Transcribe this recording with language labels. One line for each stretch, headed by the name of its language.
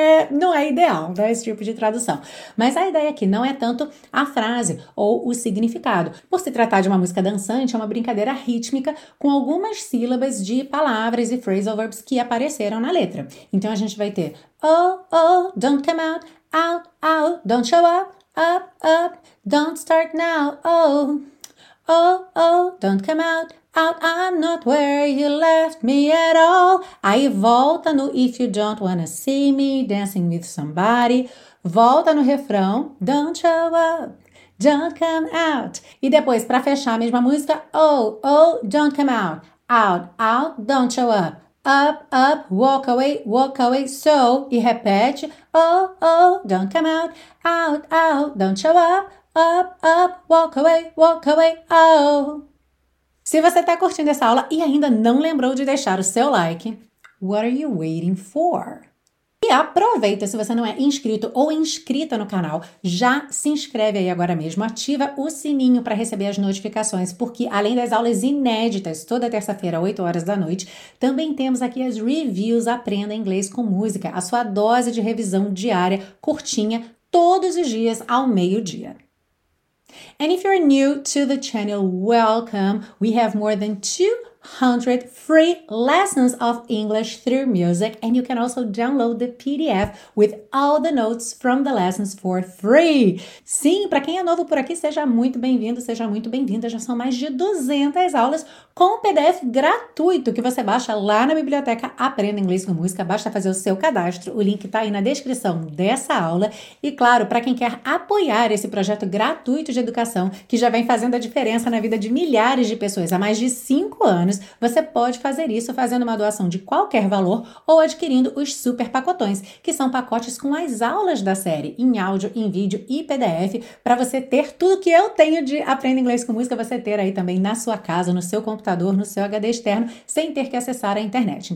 Portuguese: não é ideal, né, esse tipo de tradução. Mas a ideia aqui não é tanto a frase ou o significado. Por se tratar de uma música dançante, é uma brincadeira rítmica com algumas sílabas de palavras e phrasal verbs que apareceram na letra. Então a gente vai ter
English: oh, oh, don't come out, out, out, don't show up. Up, up, don't start now, oh. Oh, oh, don't come out, out, I'm not where you left me at all.
Portuguese: Aí volta no
English: if you don't wanna see me dancing with somebody.
Portuguese: Volta no refrão,
English: don't show up, don't come out.
Portuguese: E depois, pra fechar a mesma música,
English: oh, oh, don't come out, out, out, don't show up. Up, up, walk away, so,
Portuguese: e repete,
English: oh, oh, don't come out, out, out, don't show up, up, up, walk away, oh.
Portuguese: Se você está curtindo essa aula e ainda não lembrou de deixar o seu like,
English: what are you waiting for?
Portuguese: E aproveita, se você não é inscrito ou inscrita no canal, já se inscreve aí agora mesmo, ativa o sininho para receber as notificações, porque além das aulas inéditas, toda terça-feira, 8 horas da noite, também temos aqui as reviews Aprenda Inglês com Música, a sua dose de revisão diária, curtinha, todos os dias, ao meio-dia.
English: And if you're new to the channel, welcome! We have more than 200 free lessons of English through music, and you can also download the PDF with all the notes from the lessons for free.
Portuguese: Sim, para quem é novo por aqui, seja muito bem-vindo, seja muito bem-vinda. Já são mais de 200 aulas com PDF gratuito que você baixa lá na biblioteca Aprenda Inglês com Música. Basta fazer o seu cadastro, o link está aí na descrição dessa aula. E claro, para quem quer apoiar esse projeto gratuito de educação que já vem fazendo a diferença na vida de milhares de pessoas há mais de 5 anos, você pode fazer isso fazendo uma doação de qualquer valor ou adquirindo os super pacotões, que são pacotes com as aulas da série em áudio, em vídeo e PDF, para você ter tudo que eu tenho de Aprenda Inglês com Música, você ter aí também na sua casa, no seu computador, no seu HD externo, sem ter que acessar a internet.